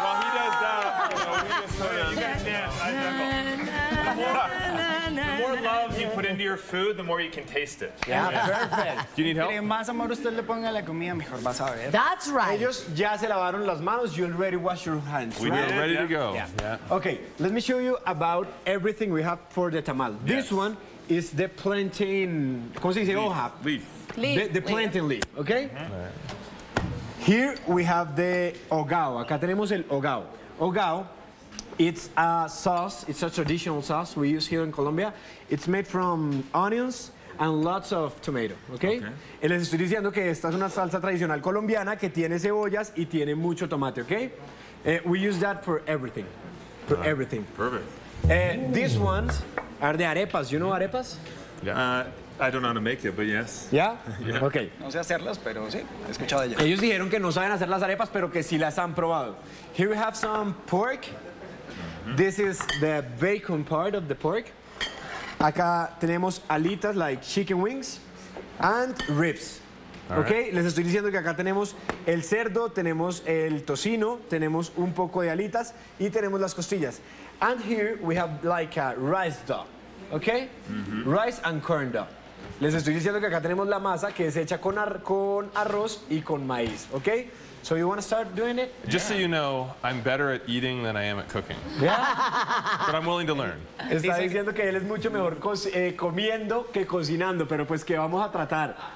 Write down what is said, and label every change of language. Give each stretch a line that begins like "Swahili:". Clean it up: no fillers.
English: While he does that, the more love you put into your food, the more you can taste it. Yeah, perfect. Do you need help?
Spanish: Más amor usted le ponga la comida, mejor vas a ver.
English: That's right.
Spanish: Ellos ya se lavaron las manos.
English: You already washed your hands. We right? are ready yeah. to go. Yeah. Yeah. Okay, let me show you about everything we have for the tamal. Yes. This one is the plantain.
Spanish: ¿Cómo se dice? Hoja.
English: Leaf. Leaf. The plantain leaf, okay? Mm-hmm. Here we have the hogao.
Spanish: Acá tenemos el hogao. Hogao,
English: it's a sauce. It's a traditional sauce we use here in Colombia. It's made from onions and lots of tomato, okay? Okay.
Spanish: Y les estoy diciendo que esta es una salsa tradicional colombiana que tiene cebollas y tiene mucho tomate, okay?
English: We use that for everything. For right. everything. Perfect. These ones are the arepas. You know arepas? Yeah. I don't know how to make it, but yes. Yeah? Yeah. Okay.
Spanish: No sé hacerlas, pero sí, he escuchado ya. Ellos dijeron que no saben hacer las arepas, pero que sí las han probado.
English: Here we have some pork. Mm-hmm. This is the bacon part of the pork.
Spanish: Acá tenemos alitas,
English: like chicken wings, and ribs. All okay, right.
Spanish: Les estoy diciendo que acá tenemos el cerdo, tenemos el tocino, tenemos un poco de alitas, y tenemos las costillas.
English: And here we have like a rice dough. Okay? Mm-hmm. Rice and corn dough.
Spanish: Les estoy diciendo que acá tenemos la masa que es hecha con arroz y con maíz, okay?
English: So you want to start doing it? Just yeah. so you know, I'm better at eating than I am at cooking. Yeah. But I'm willing to learn.
Spanish: Está diciendo que él es mucho mejor comiendo que cocinando, pero pues que vamos a tratar.